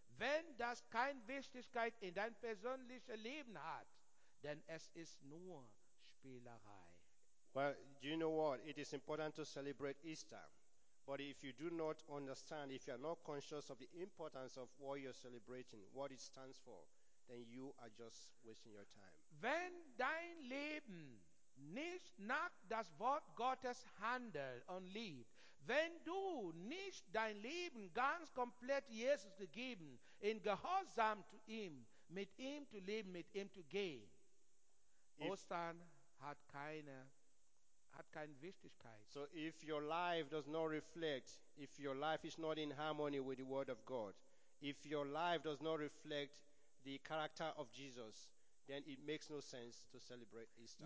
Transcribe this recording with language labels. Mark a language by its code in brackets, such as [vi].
[de] Wenn das keine Wichtigkeit in dein persönliches Leben hat, dann es ist nur Spielerei. [en] Well, do you know what? It is important to celebrate Easter. But if you do not understand, if you are not conscious of the importance of what you're celebrating, what it stands for, then you are just wasting your time. [de] Wenn dein Leben nicht nach das Wort Gottes handelt und lebt, wenn du nicht dein Leben ganz komplett Jesus gegeben, in Gehorsam zu ihm, mit ihm zu leben, mit ihm zu gehen, Ostern hat keine Wichtigkeit. [en] So if your life does not reflect, if your life is not in harmony with the word of God, if your life does not reflect the character of Jesus, then it makes no sense to celebrate Easter.